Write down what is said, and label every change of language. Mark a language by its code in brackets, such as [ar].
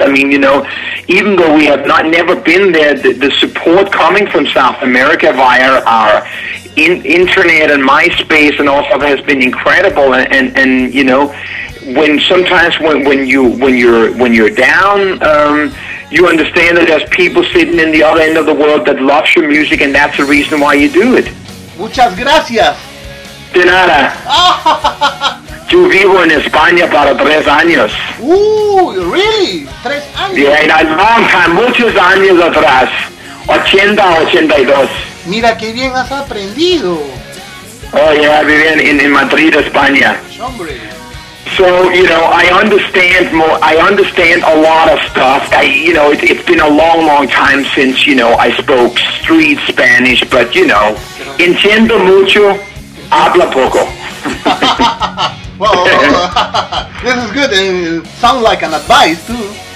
[en] I mean, you know, even though we have never been there, the support coming from South America via our internet and MySpace and all stuff has been incredible. And you know, when you're down, you understand that there's people sitting in the other end of the world that loves your music, and that's the reason why you do it. [es] Muchas gracias. De nada. Yo vivo en España para 3 años. [en] Ooh, really? [es] 3 años? [en] Yeah, in a long time, [es] muchos años atrás. 80, 82. Mira que bien has aprendido. [en] Oh, yeah, I [es] vivía [en] in Madrid, España. [es] Hombre. [en] So, you know, I understand a lot of stuff. It's been a long, long time since, you know, I spoke street Spanish, but, you know, [es] entiendo mucho. Habla poco. [en] Well, this is good, and it sounds like an advice too.